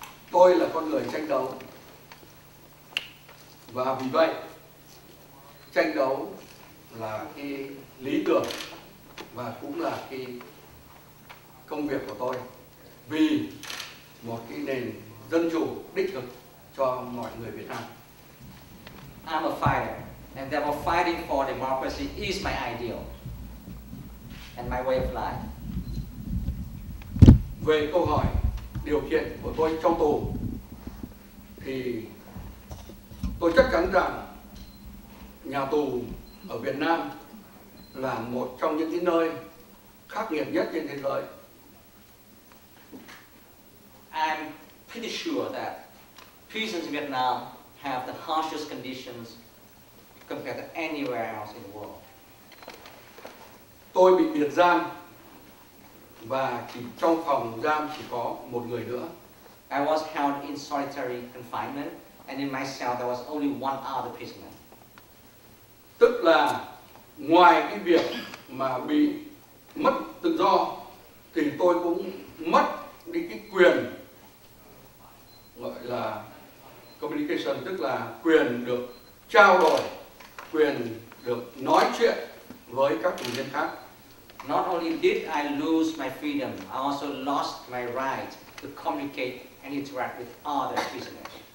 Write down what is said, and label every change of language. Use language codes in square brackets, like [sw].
[vi] Tôi là con người tranh đấu, và vì vậy tranh đấu là cái lý tưởng và cũng là cái công việc của tôi, vì một cái nền dân chủ đích thực cho mọi người Việt Nam. [en] I'm a fighter, and therefore fighting for democracy is my ideal and my way of life. [vi] Về câu hỏi điều kiện của tôi trong tù, thì tôi chắc chắn rằng nhà tù ở Việt Nam là một trong những cái nơi khắc nghiệt nhất trên thế giới. [en] I'm pretty sure that prisons in Vietnam have the harshest conditions compared to anywhere else in the world. [vi] Tôi bị biệt giam và chỉ trong phòng giam chỉ có một người nữa. [en] I was held in solitary confinement, and in my cell there was only one other prisoner. [vi] Tức là ngoài cái việc mà bị mất tự do, thì tôi cũng mất đi cái quyền gọi là communication, tức là quyền được trao đổi, quyền được nói chuyện với các tù nhân khác. [en] Not only did I lose my freedom, I also lost my right to communicate and interact with other prisoners.